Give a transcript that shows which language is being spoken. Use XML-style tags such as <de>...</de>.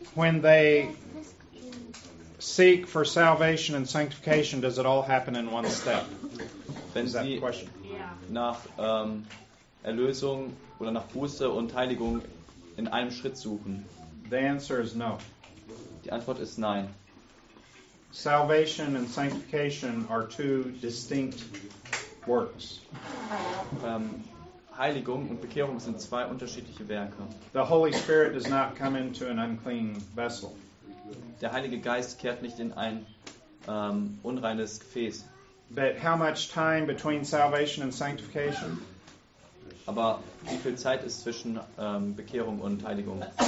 <en>when they seek for salvation and sanctification, does it all happen in one step?</en> <de>Wenn sie nach Erlösung oder nach Buße und Heiligung in einem Schritt suchen,</de> <en>the answer is no.</en> <de>Die Antwort ist nein.</de> <en>Salvation and sanctification are two distinct works.</en> <de>Heiligung und Bekehrung sind zwei unterschiedliche Werke.</de> <en>The Holy Spirit does not come into an unclean vessel.</en> <de>Der Heilige Geist kehrt nicht in ein unreines Gefäß.</de> <en>But how much time between salvation and sanctification?</en> <de>Aber wie viel Zeit ist zwischen Bekehrung und Heiligung?</de>